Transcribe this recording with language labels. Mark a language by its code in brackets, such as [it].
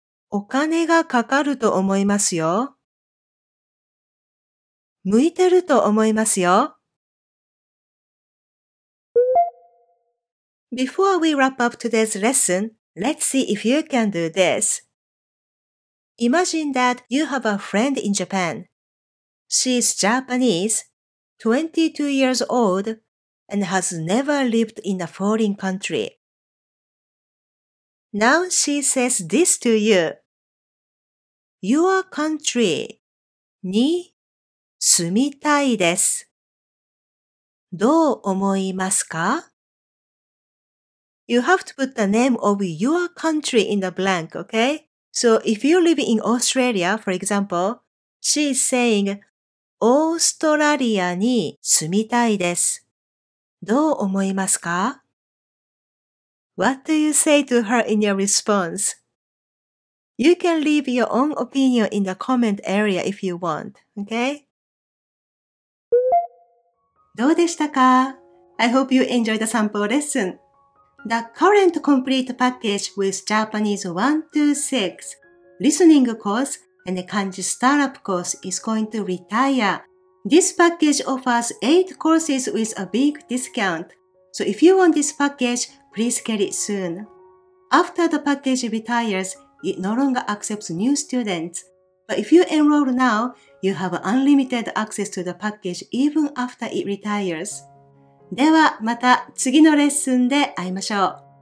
[ja] お金がかかると思いますよ。向いてると思いますよ。 [en] Before we wrap up today's lesson, let's see if you can do this. Imagine that you have a friend in Japan. She's Japanese, 22 years old, and has never lived in a foreign country. Now she says this to you. Your country [ja] に住みたいです。どう思いますか? [en] You have to put the name of your country in the blank, okay? So if you live in Australia, for example, she is saying, [ja] オーストラリアに住みたいです。どう思いますか? [en] What do you say to her in your response? You can leave your own opinion in the comment area if you want, okay? [ja] どうでしたか? [en] I hope you enjoyed the sample lesson. The current complete package with Japanese 1-6 listening course and the Kanji Startup course is going to retire. This package offers 8 courses with a big discount. So if you want this package, please get it soon. After the package retires, it no longer accepts new students. But if you enroll now, you have unlimited access to the package even after it retires. [ja] ではまた次のレッスンで会いましょう。